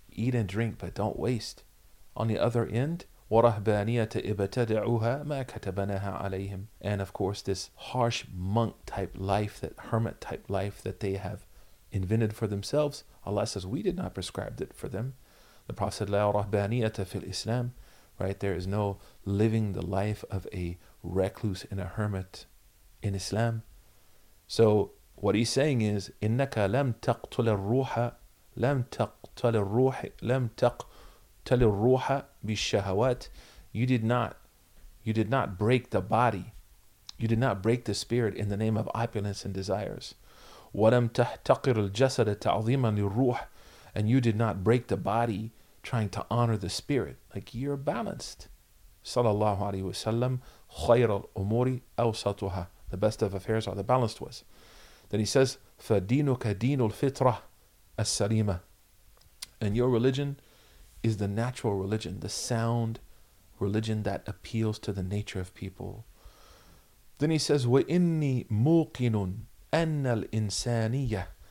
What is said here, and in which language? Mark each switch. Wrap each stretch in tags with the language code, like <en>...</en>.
<en>Eat and drink, but don't waste. On the other end,</en> <ar>ورهبانيه ابتدعوها ما كتبناها عليهم.</ar> <en>And of course, this harsh monk type life, that hermit type life that they have invented for themselves, Allah says, we did not prescribe it for them. The Prophet said,</en> <ar>لا رهبانية في الإسلام.</ar> <en>Right, there is no living the life of a recluse and a hermit in Islam. So what he's saying is,</en> <ar>إنك لم تقتل الروح, لم تقتل الروح, لم تقتل الروح بالشهوات.</ar> <en>You did not break the body. You did not break the spirit in the name of opulence and desires.</en> <ar>وَلَمْ تَحْتَقِرُ الْجَسَدَ تَعْظِيمًا لِلْرُوحِ.</ar> <en>And you did not break the body trying to honor the spirit. Like, you're balanced.</en> <ar>صلى الله عليه وسلم خير الأمور أوسطها.</ar> <en>The best of affairs are the balanced ones. Then he says,</en> <ar>فَدِينُكَ دِينُ الْفِطْرَةِ السَّلِيمَةِ.</ar> <en>And your religion is the natural religion, the sound religion that appeals to the nature of people. Then he says,</en> <ar>وَإِنِّي مُوقِنٌ أَنَّ الْإِنسَانِيَّةِ.</ar>